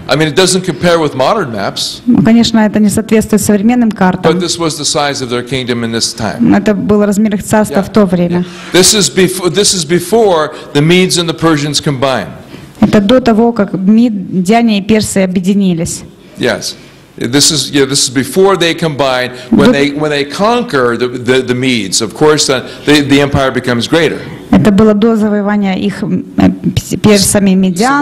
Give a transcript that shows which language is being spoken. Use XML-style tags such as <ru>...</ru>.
<en>I mean, it doesn't compare with modern maps.</en> <ru>Конечно, это не соответствует современным картам.</ru> <en>But this was the size of their kingdom in this time.</en> <ru>Это было размер их царства в то время.</ru> <en>This is before the Medes and the Persians combined.</en> <ru>Это до того, как Медяне и Персы объединились.</ru> <en>Yes. This is before they combine when they conquer the Medes. Of course, the empire becomes greater.</en> <ru>Это было до завоевания их персами Медян.</ru>